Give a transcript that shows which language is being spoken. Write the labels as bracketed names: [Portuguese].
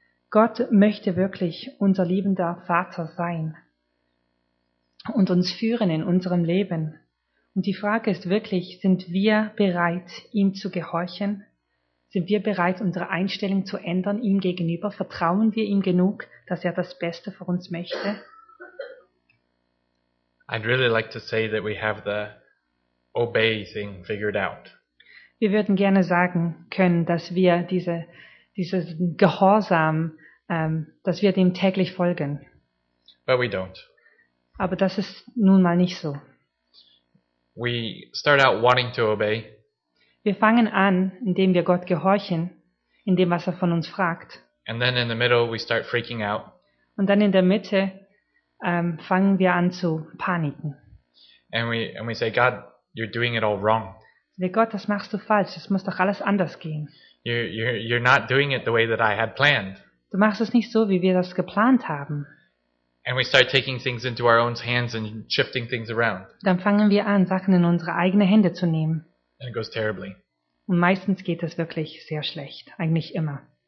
[German] Gott möchte wirklich unser liebender Vater sein und uns führen in unserem Leben. Und die Frage ist wirklich, sind wir bereit, ihm zu gehorchen? Sind wir bereit, unsere Einstellung zu ändern ihm gegenüber? Vertrauen wir ihm genug, dass er das Beste für uns möchte? [English] I'd really like to say that we have the obey thing figured out. [German] Wir würden gerne sagen können, dass wir dieses Gehorsam, dass wir dem täglich folgen. [English] But we don't. [German] Aber das ist nun mal nicht so. [English] We start out wanting to obey. [German] Wir fangen an, indem wir Gott gehorchen, in dem, was er von uns fragt. [English] And then in the middle we start freaking out. [German] Und dann in der Mitte fangen wir an zu paniken. [English] And we say, God, you're doing it all wrong. [German] Gott, das machst du falsch. Das muss doch alles anders gehen. [English] You're not doing it the way that I had planned. [German] Du machst es nicht so, wie wir das geplant haben. [English] And we start taking things into our own hands and shifting things around. [German] Dann fangen wir an, Sachen in unsere eigene Hände zu nehmen. [English] And it goes terribly. [German] Und meistens geht es wirklich sehr schlecht, eigentlich immer.